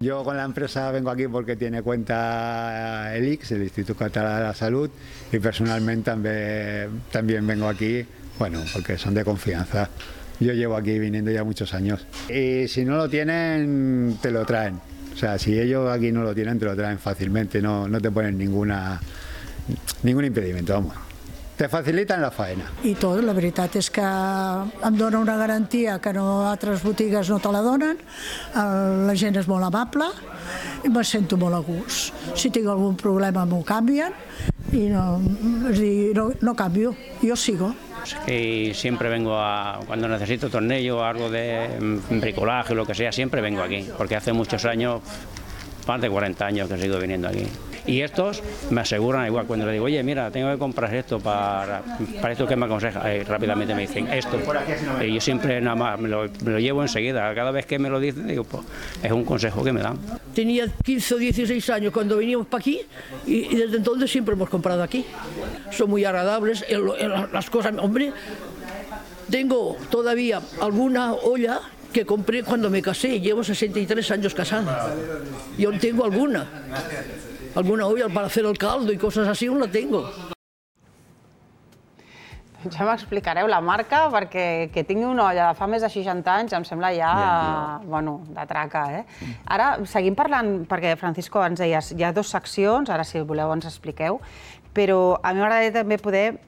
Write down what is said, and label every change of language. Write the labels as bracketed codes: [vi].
[es] Yo con la empresa vengo aquí porque tiene cuenta el ICS, el Instituto Català de la Salut, y personalmente también vengo aquí. Bueno, porque son de confianza. Yo llevo aquí viniendo ya muchos años. Y si no lo tienen, te lo traen. O sea, si ellos aquí no lo tienen, te lo traen fácilmente. No te ponen ningún impedimento, vamos. Te facilitan la faena. [ca] I tot, la veritat és que em dona una garantia que no altres botigues no te la donen, la gent és molt amable i me sento molt a gust. Si tinc algun problema m'ho canvien i no, és a dir, no canvio, jo sigo. [es] Y siempre vengo cuando necesito tornillo o algo de bricolaje o lo que sea, siempre vengo aquí, porque hace muchos años, más de 40 años que sigo viniendo aquí. Y estos me aseguran igual, cuando le digo, oye, mira, tengo que comprar esto para esto que me aconseja, rápidamente me dicen, esto. Y yo siempre nada más me lo llevo enseguida, cada vez que me lo dicen, digo, pues es un consejo que me dan. Tenía 15 o 16 años cuando veníamos para aquí y desde entonces siempre hemos comprado aquí. Son muy agradables las cosas. Hombre, tengo todavía alguna olla que compré cuando me casé, llevo 63 años casada. Y aún tengo alguna. Alguna olla para hacer el caldo y cosas así, aún la tengo. [ca] Ja m'explicareu la marca, perquè que tingui una olla de fa més de 60 anys em sembla ja, bueno, de traca, eh? Ara, seguim parlant, perquè, Francisco, ens deies, hi ha dues seccions, ara, si voleu, ens expliqueu, però a mi m'agradaria també poder